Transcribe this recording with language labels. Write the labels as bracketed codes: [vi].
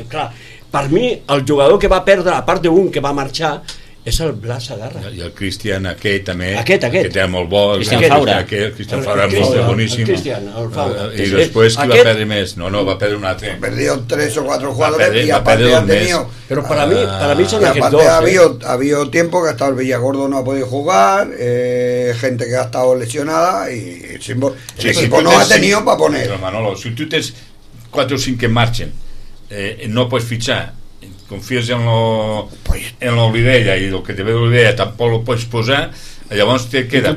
[ca] Clar, per mi el jugador que va perdre, a part d'un que va marxar, és el Blas Agarra. I el Cristian aquell també. Aquest. Que era molt bo. Cristian Faura, boníssim. I després qui aquest... va perdre més? No, va perdre un altre. Va perdre 3 o 4 jugadores i a part ja tenia... Però per a mi són aquests dos. [es] Havia tiempo que hasta el Villagordo no ha podido jugar, gente que ha estado lesionada y no ha tenido para poner. [ca] Però Manolo, si tu tens 4 o 5 que marxen, no pots fitxar, confies en l'Olivella i el que te ve d'Olivella tampoc el pots posar, llavors te queda.